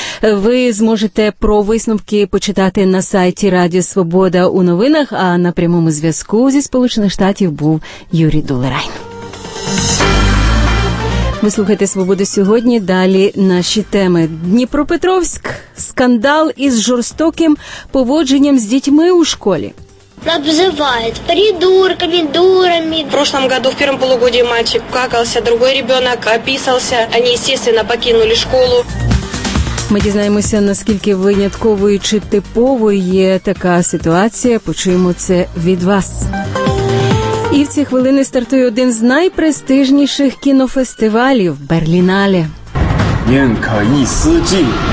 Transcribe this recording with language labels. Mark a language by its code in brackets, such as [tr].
[uk] Ви зможете про висновки почитати на сайті Радіо Свобода у новинах, а на прямому зв'язку зі Сполучених Штатів був Юрій Долерайн. Ви слухаєте «Свободу сьогодні», далі наші теми. Дніпропетровськ – скандал із жорстоким поводженням з дітьми у школі. [ru] Обзывает придурками, дурами. В прошлом году в первом полугодии мальчик какался, другой ребенок описался. Они, естественно, покинули школу. [uk] Ми дізнаємося, наскільки винятковою чи типовою є така ситуація. Почуємо це від вас. І в ці хвилини стартує один з найпрестижніших кінофестивалів – Берлінале. Нєн ка ї сі джі.